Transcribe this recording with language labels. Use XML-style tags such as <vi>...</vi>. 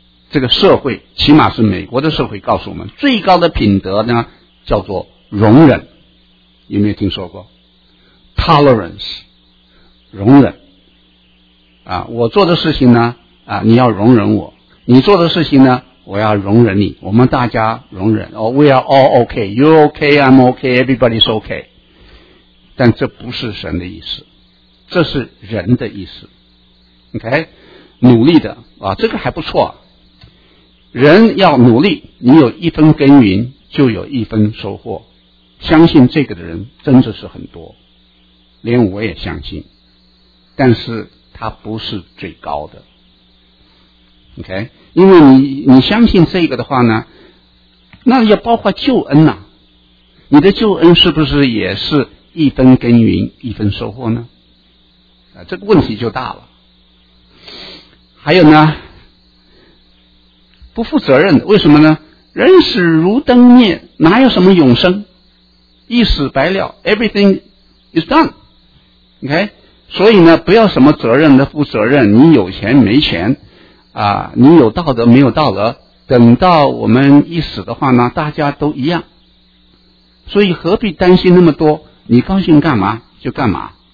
<zh>这个社会，起码是美国的社会告诉我们，最高的品德呢叫做容忍。有没有听说过 tolerance， 容忍啊，我做的事情呢啊，你要容忍我，你做的事情呢，我要容忍你，我们大家容忍。</zh> <en>Oh, we are all okay, you're okay, I'm okay, everybody's okay.</en> <zh>但这不是神的意思，这是人的意思。 OK, 努力的啊，这个还不错。人要努力，你有一分耕耘，就有一分收获。相信这个的人真的是很多，连我也相信，但是他不是最高的。 OK, 因为你相信这个的话呢，那也包括救恩呐、啊。你的救恩是不是也是一分耕耘一分收获呢？啊，这个问题就大了。还有呢，不负责任的，为什么呢？人死如灯灭，哪有什么永生？一死百了 ，</zh> <en>everything is done。</en> <zh>OK, 所以呢，不要什么责任的负责任，你有钱没钱。啊，你有道德没有道德，等到我们一死的话呢，大家都一样，所以何必担心那么多，你高兴干嘛就干嘛。</zh>